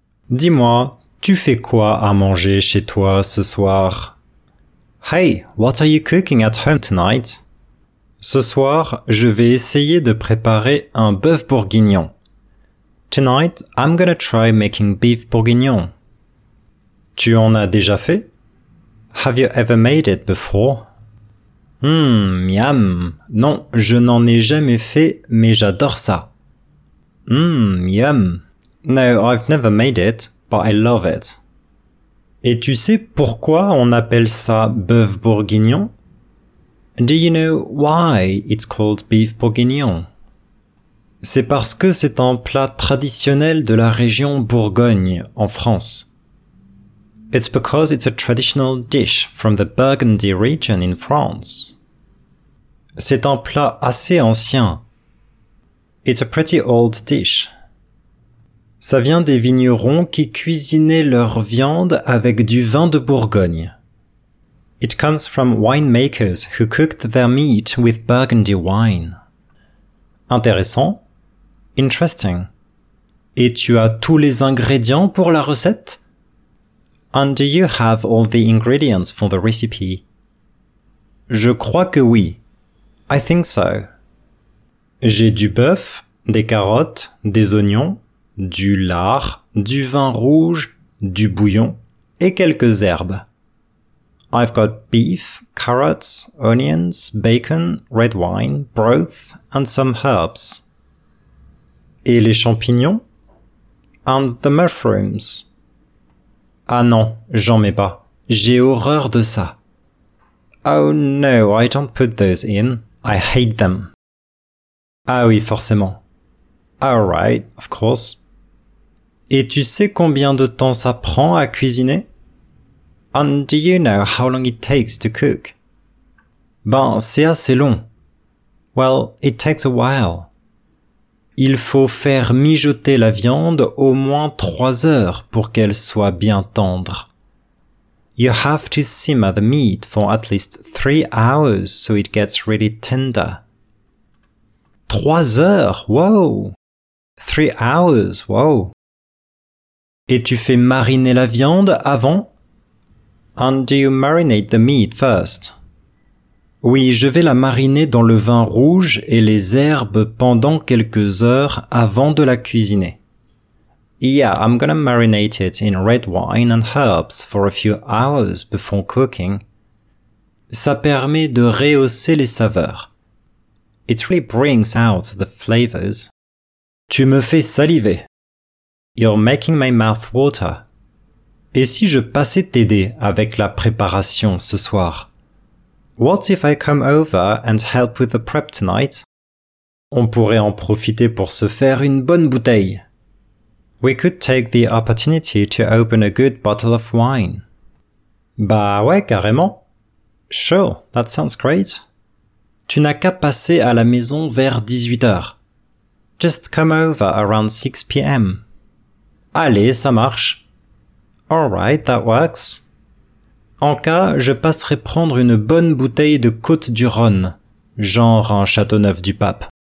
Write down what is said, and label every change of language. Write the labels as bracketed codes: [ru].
[fr] Dis-moi, tu fais quoi à manger chez toi ce soir? [en] Hey, what are you cooking at home tonight? [fr] Ce soir, je vais essayer de préparer un bœuf bourguignon. [en] Tonight, I'm gonna try making beef bourguignon. [fr] Tu en as déjà fait? [en] Have you ever made it before? [fr] Miam. Non, je n'en ai jamais fait, mais j'adore ça. Miam. [en] No, I've never made it, but I love it. [fr] Et tu sais pourquoi on appelle ça bœuf bourguignon? [en] Do you know why it's called beef bourguignon? [fr] C'est parce que c'est un plat traditionnel de la région Bourgogne, en France. [en] It's because it's a traditional dish from the Burgundy region in France. [fr] C'est un plat assez ancien. [en] It's a pretty old dish. [fr] Ça vient des vignerons qui cuisinaient leur viande avec du vin de Bourgogne. [en] It comes from winemakers who cooked their meat with Burgundy wine. [fr] Intéressant. [en] Interesting. [fr] Et tu as tous les ingrédients pour la recette? [en] And do you have all the ingredients for the recipe? [fr] Je crois que oui. [en] I think so. [fr] J'ai du bœuf, des carottes, des oignons, du lard, du vin rouge, du bouillon et quelques herbes. [en] I've got beef, carrots, onions, bacon, red wine, broth and some herbs. [fr] Et les champignons? [en] And the mushrooms. [fr] Ah non, j'en mets pas. J'ai horreur de ça. [en] Oh no, I don't put those in. I hate them. [fr] Ah oui, forcément. [en] All right, of course. [fr] Et tu sais combien de temps ça prend à cuisiner? [en] And do you know how long it takes to cook? [fr] Ben, c'est assez long. [en] Well, it takes a while. [fr] Il faut faire mijoter la viande au moins 3 heures pour qu'elle soit bien tendre. [en] You have to simmer the meat for at least 3 hours so it gets really tender. [fr] 3 heures, wow! [en] 3 hours, wow! [fr] Et tu fais mariner la viande avant? [en] And do you marinate the meat first? [fr] Oui, je vais la mariner dans le vin rouge et les herbes pendant quelques heures avant de la cuisiner. [en] Yeah, I'm gonna marinate it in red wine and herbs for a few hours before cooking. [fr] Ça permet de rehausser les saveurs. [en] It really brings out the flavors. [fr] Tu me fais saliver. [en] You're making my mouth water. [fr] Et si je passais t'aider avec la préparation ce soir? [en] What if I come over and help with the prep tonight? [fr] On pourrait en profiter pour se faire une bonne bouteille. [en] We could take the opportunity to open a good bottle of wine. [fr] Bah ouais, carrément. [en] Sure, that sounds great. [fr] Tu n'as qu'à passer à la maison vers 18h. [en] Just come over around 6 p.m. [fr] Allez, ça marche. [en] Alright, that works. [fr] En cas, je passerai prendre une bonne bouteille de Côte du Rhône, genre un Châteauneuf du Pape.